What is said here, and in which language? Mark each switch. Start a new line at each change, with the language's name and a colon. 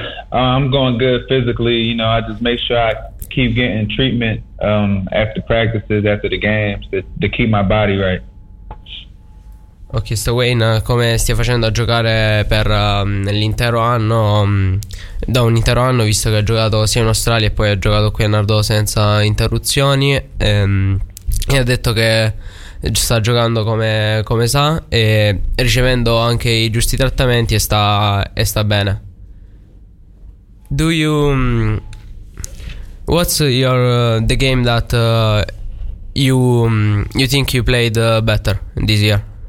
English: I'm going good physically, you know, I just make sure I keep getting treatment after practices, after the games, to keep my body right.
Italian: Ho chiesto Wayne come stia facendo a giocare per l'intero anno, da un intero anno, visto che ha giocato sia in Australia e poi ha giocato qui a Nardò senza interruzioni, e ha detto che sta giocando come sa e ricevendo anche i giusti trattamenti e sta bene.
English: Do you what's your the game that you think you played better this year?